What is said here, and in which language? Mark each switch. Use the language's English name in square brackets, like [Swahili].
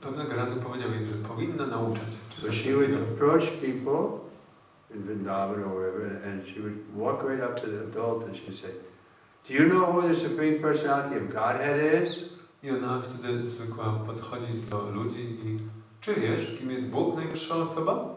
[Polish] Pewnego razu powiedział jej, że powinna nauczać. [English] So she would approach people in Vrindavan or wherever, and she would walk right up to the adult and she'd say, do you know who the Supreme Personality of Godhead is? [Polish] I ona wtedy zwykła podchodzić do ludzi i czy wiesz, kim jest Bóg, najwyższa osoba?